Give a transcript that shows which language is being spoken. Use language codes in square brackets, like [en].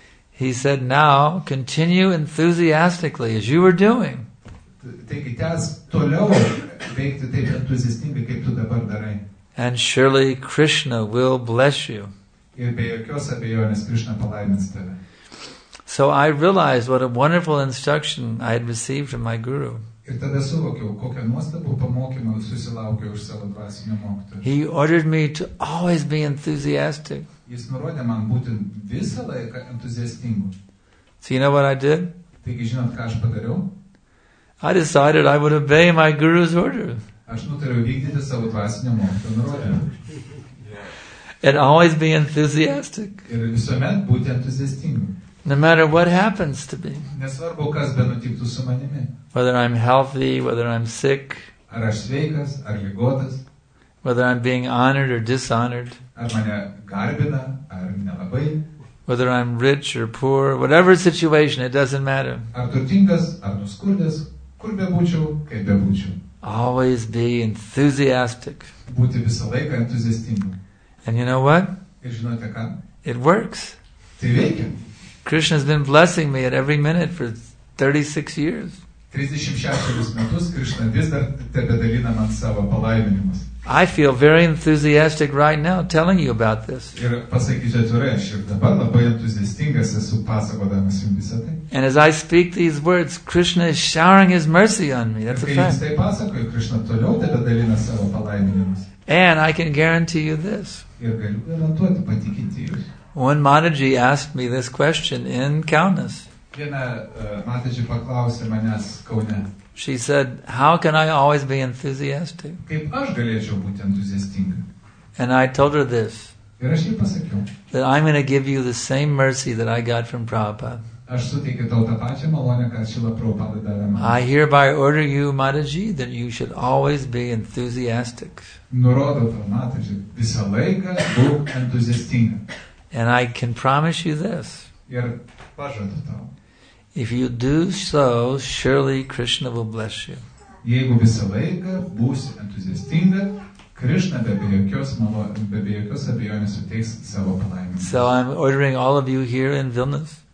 [en] He said, now continue enthusiastically as you were doing. [lt] Taigi tęs toliau veikti taip entuziastingai, kaip tu dabar darai. [en] And surely Krishna will bless you. [lt] Ir be jokios abejonės Krishna palaimins tave. [en] So I realized what a wonderful instruction I had received from my guru. [lt] Ir tada suvokiau, kokią nuostabų pamokymą susilaukiau iš savo dvasinio mokytojo. [en] He ordered me to always be enthusiastic. [lt] Jis nurodė man būti visą laiką entuziastingu. [en] So you know what I did? [lt] Taigi žinot, ką aš padariau? [en] I decided I would obey my guru's order. [lt] Aš nutariau vykdyti savo dvasinio mokytojo nurodymą. [en] And always be enthusiastic. [lt] Ir visuomet būti entuziastingu. [en] No matter what happens to me. [lt] Nesvarbu, kas benutiktų su manimi. [en] Whether I'm healthy, whether I'm sick. [lt] Ar aš sveikas, ar ligotas. [en] Whether I'm being honored or dishonored. [lt] Ar mane garbina, ar nelabai. [en] Whether I'm rich or poor, whatever situation, it doesn't matter. [lt] Ar turtingas, ar nuskurdęs, kur bebūčiau, kaip bebūčiau. [en] Always be enthusiastic. [lt] Būti visą laiką entuziastingu. [en] And you know what? [lt] Ir žinote ką? [en] It works. [lt] Tai veikia. [en] Krishna's been blessing me at every minute for 36 years. [lt] 36 metus Krishna vis dar tebedalina man savo palaiminimus. [en] I feel very enthusiastic right now telling you about this. [lt] Ir pasakysiu atvirai, aš dabar labai entuziastingas esu pasakodamas jums visą tai. [en] And as I speak these words, Krishna is showering his mercy on me. That's a fact. [lt] Kai jis tai pasakoju, Krishna toliau tebedalina savo palaiminimus. [en] And I can guarantee you this. [lt] Ir galiu garantuoti, patikinti jus. [en] One Mataji asked me this question in Kaunas. [lt] Viena Mataji paklausė manęs Kaune. [en] She said, how can I always be enthusiastic? [lt] Kaip aš galėčiau būti entuziastinga? [en] And I told her this. [lt] Ir aš jai pasakiau. [en] That I'm going to give you the same mercy that I got from Prabhupada. [lt] Aš suteikiu tau tą pačią malonę, ką Šila Prabhupada davė man. [en] I hereby order you, Mataji, that you should always be enthusiastic. [lt] Nurodau tau, Mataji, visą laiką būk entuziastinga. [en] And I can promise you this. [lt] Ir pažadu tau. [en] If you do so, surely Krishna will bless you. [lt] Jeigu visą laiką būsi entuziastinga, Krishna be jokios abejonės suteiks savo palaiminimą. [en] So I'm ordering all of you here in Vilnius.